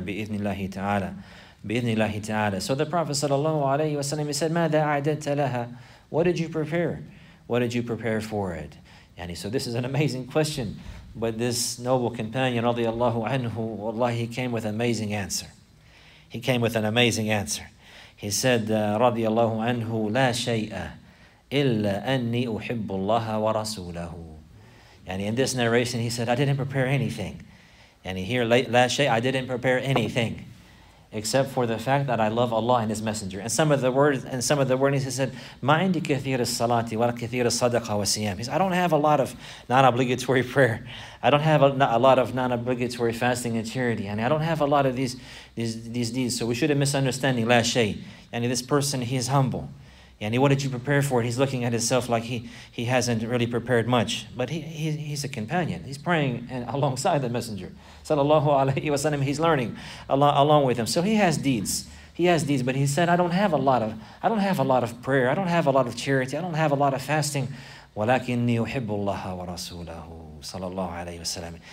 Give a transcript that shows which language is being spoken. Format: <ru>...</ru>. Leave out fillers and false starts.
<en>Bi-idhnillahi ta'ala. Bi-idhnillahi ta'ala. So the Prophet sallallahu alayhi wa sallam, he said,</en> <ar>مَاذَا عَدَدْتَ لَهَا?</ar> <en>What did you prepare? What did you prepare for it? And so this is an amazing question. But this noble companion, radiallahu anhu, wallahi, he came with an amazing answer. He came with an amazing answer. He said,</en> <ar>radiallahu anhu, لا شيء إلا أني أحب الله ورسوله.</ar> <en>And in this narration, he said, I didn't prepare anything. And here,</en> <ar>لا شيء,</ar> <en>I didn't prepare anything except for the fact that I love Allah and His Messenger. And some of the words, and some of the wordings, he said,</en> <ar>ما عندي كثير الصلاة ولا كثير الصدقة والصيام.</ar> <en>He said, I don't have a lot of non-obligatory prayer. I don't have a lot of non-obligatory fasting and charity. And I don't have a lot of these deeds. So we shouldn't misunderstand</en> <ar>لا شيء.</ar> <en>And this person, he is humble. And what did you prepare for it? He's looking at himself like he hasn't really prepared much. But he's a companion. He's praying and alongside the Messenger, sallallahu alaihi wasallam. He's learning along with him. So he has deeds. He has deeds. But he said, I don't have a lot of prayer. I don't have a lot of charity. I don't have a lot of fasting.</en> <ar>وَلَكِنِّي أُحِبُّ اللَّهَ وَرَسُولَهُ sallallahu alaihi wasallam.</ar>